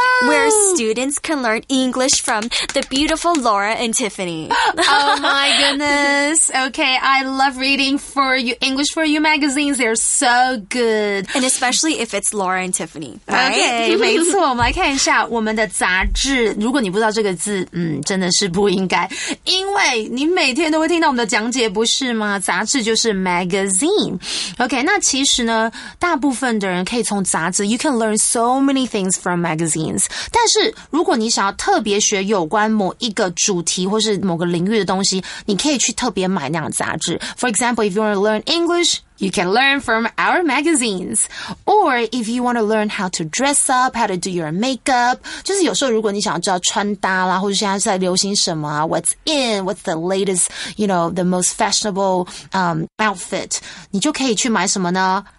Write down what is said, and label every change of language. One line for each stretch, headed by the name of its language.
English: Where students can learn English from the beautiful Laura and Tiffany. Oh my goodness. Okay, I love reading for you, English for You magazines. They're so good. And especially if it's Laura and Tiffany.、Right?
Chinese: Okay, 没错，我们来看一下我们的杂志。如果你不知道这个字，嗯，真的是不应该，因为你每天都会听到我们的讲解，不是吗？杂志就是 magazine。OK, 那其实呢，大部分的人可以从杂志 ， you can learn so many things from magazines。但是如果你想要特别学有关某一个主题或是某个领域的东西，你可以去特别买那样杂志。
English: For example, if you want to learn English,You can learn from our magazines. Or if you want to learn how to dress up, how to do your makeup.
Chinese: 就是有时候如果你想要知道穿搭啦，或者现在在流行什么啊 , what's in, what's the latest, you know, the most fashionable, outfit. 你就可以去买什么呢